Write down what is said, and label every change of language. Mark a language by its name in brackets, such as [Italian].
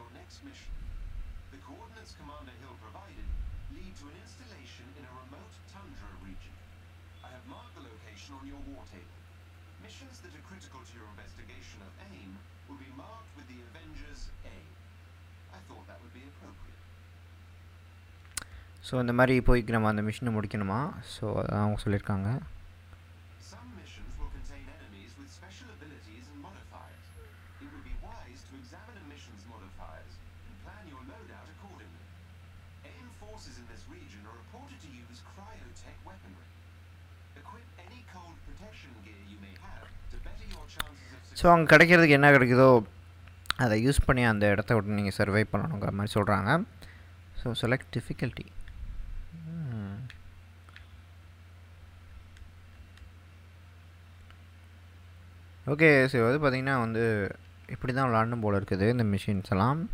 [English] The coordinates Commander Hill provided lead to an installation in a remote tundra region. I have marked the location on your war table. Missions that are critical to your investigation of AIM will be marked with the Avengers A. I thought that would be appropriate. [Tamil] So இந்த மாதிரி போய் நம்ம அந்த மிஷனை முடிக்கணுமா? So அவங்க சொல்லிருக்காங்க. [English] Some missions will contain enemies with special abilities and modifiers. It would be wise to examine a mission's modifiers. Plan your loadout accordingly. AIM forces in this region are reported to use cryotech weaponry. Equip any cold protection gear you may have to better your chances of success. [Tamil] So அங்க கிடைக்கிறதுக்கு என்ன கிடைக்குதோ அதை use பண்ணி அந்த இடத்த விட்டு நீங்கள் சர்வை பண்ணணுங்கிற மாதிரி சொல்கிறாங்க. [English] So select difficulty. [Tamil] Okay, so வந்து பார்த்தீங்கன்னா வந்து இப்படி தான் விளாண்டும் போல் இருக்குது இந்த மிஷின்ஸ் எல்லாம்.